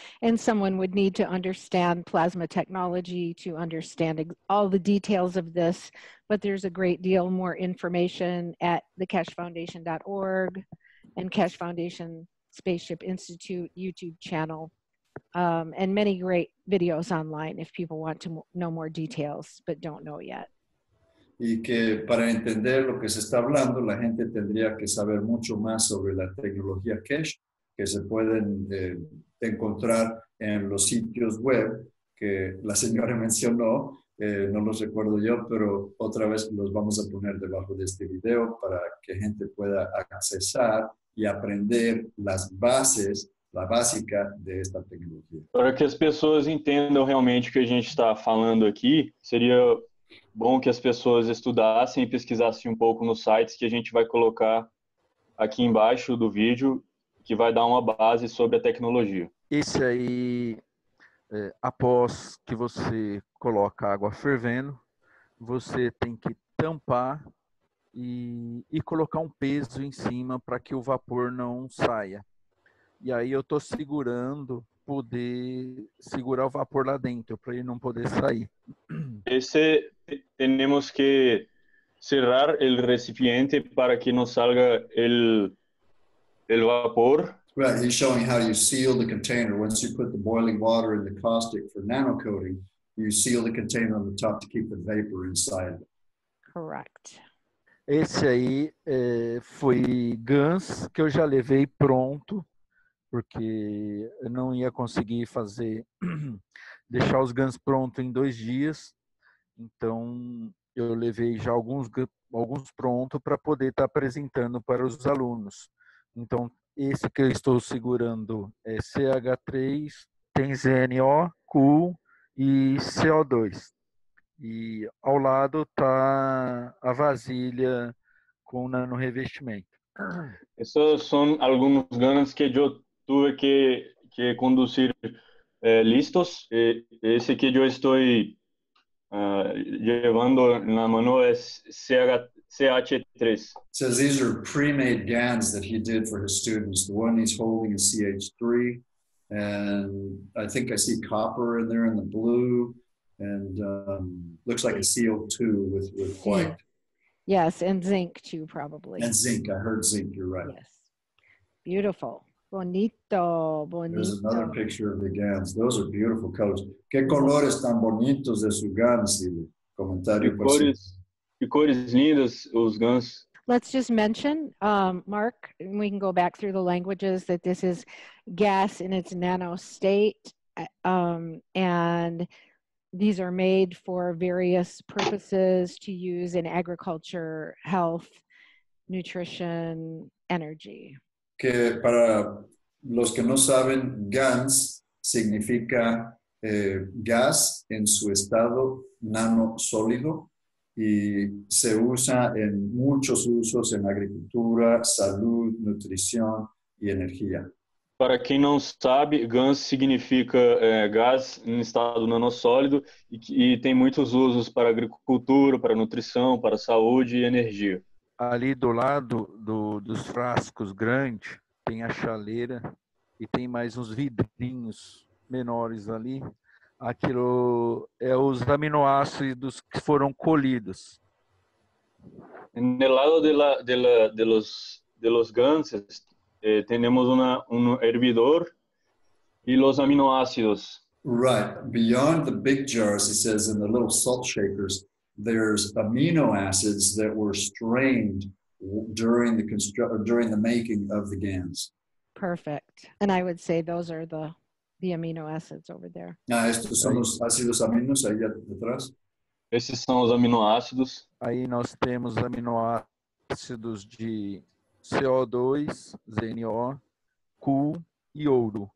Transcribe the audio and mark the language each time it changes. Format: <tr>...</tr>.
<en>And someone would need to understand plasma technology to understand all the details of this, but there's a great deal more information at thekeshfoundation.org and Keshe Foundation Spaceship Institute YouTube channel, and many great videos online if people want to know more details but don't know yet.</en> <es>Y que para entender lo que se está hablando, la gente tendría que saber mucho más sobre la tecnología Keshe, que se pueden encontrar en los sitios web que la señora mencionó, no los recuerdo yo, pero otra vez los vamos a poner debajo de este video para que gente pueda accesar y aprender las bases, la básica de esta tecnología.</es> <pt>Para que las personas entiendan realmente que a gente está hablando aquí, sería bom que as pessoas estudassem e pesquisassem um pouco nos sites que a gente vai colocar aqui embaixo do vídeo, que vai dar uma base sobre a tecnologia. Esse aí, após que você coloca a água fervendo, você tem que tampar e colocar um peso em cima para que o vapor não saia. E aí eu estou segurando, poder segurar o vapor lá dentro, para ele não poder sair.</pt> <es>Esse temos que cerrar el recipiente para que no salga el vapor.</es> <en>Right, he's showing how you seal the container. Once you put the boiling water in the caustic for nano coating, You seal the container on the top to keep the vapor inside. Correct.</en> <pt>Esse aí foi Gans, que eu já levei pronto, porque eu não ia conseguir fazer, deixar os Gans prontos em 2 dias. Então, eu levei já alguns prontos para poder estar apresentando para os alunos. Então, esse que eu estou segurando é CH3, tem ZNO, Cool e CO2. E ao lado está a vasilha com nano revestimento. Esses são alguns GANs que eu tive que conduzir listos. Esse que eu estou levando na mão é CH3.</pt> <en>So these are pre-made GANs that he did for his students. The one he's holding is CH3. And I think I see copper in there in the blue. And looks like a CO2 with white. Yes, and zinc too, probably. And zinc, I heard zinc, you're right. Yes. Beautiful.</en> <es>Bonito, bonito.</es> <en>There's another picture of the GANs. Those are beautiful colors.</en> <pt>Que colores tão bonitos esses GANs, Silvio? Comentário por favor. Que cores lindas os GANs.</pt> <en>Let's just mention, Mark, and we can go back through the languages, that this is gas in its nano state. And these are made for various purposes to use in agriculture, health, nutrition, energy.</en> <es>Que para los que no saben, GANs significa gas en su estado nano sólido. Y se usa en muchos usos en agricultura, salud, nutrición y energía.</es> <pt>Para quem não sabe, GANs significa gás em estado nanossólido e tem muitos usos para agricultura, para nutrição, para saúde e energia. Ali do lado dos frascos grandes, tem a chaleira e tem mais uns vidrinhos menores ali. Aquilo é os aminoácidos que foram colhidos. No lado de los GANs, temos um hervidor e os aminoácidos.</pt> <en>Right. Beyond the big jars, he says, and the little salt shakers, there's amino acids that were strained during the during the making of the GANs. Perfect. And I would say those are the amino acids over there.</en> <pt>Ah, estes são os ácidos aminos aí atrás? Esses são os aminoácidos. Aí nós temos aminoácidos de CO2, ZNO, Cu e ouro.</pt>